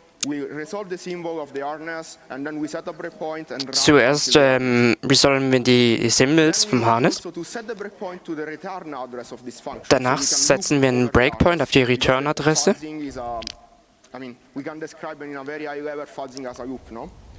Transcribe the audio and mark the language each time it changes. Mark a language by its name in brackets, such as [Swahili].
[English] We resolve the symbol of the harness and then we set a breakpoint and run. [German] Zuerst resolven wir die Symbols vom Harness. [English] So to set the breakpoint to the return address of this function. [German] Danach setzen wir einen Breakpoint auf die Return-Adresse. [English] I mean, we can describe it in a very high level fuzzing as a loop, no?